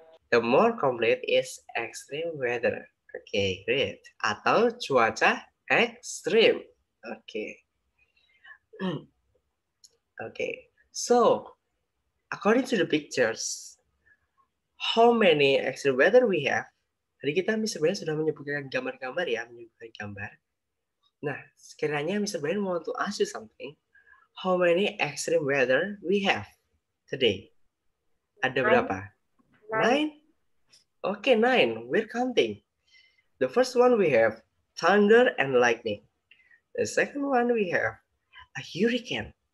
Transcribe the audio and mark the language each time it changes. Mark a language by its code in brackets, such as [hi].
[en] The more complete is extreme weather. Okay, great. [id] Atau cuaca ekstrim. Okay. [en] Okay, so according to the pictures, how many extreme weather we have? [id] Tadi kita Mr. Brian sudah menyebutkan gambar-gambar ya, menyebutkan gambar. Nah, sekiranya Mr. [en] Brian want to ask you something, how many extreme weather we have today? [id] Ada berapa? [en] Nine. Okay, nine. We're counting. The first one we have thunder and lightning. The second one we have a hurricane.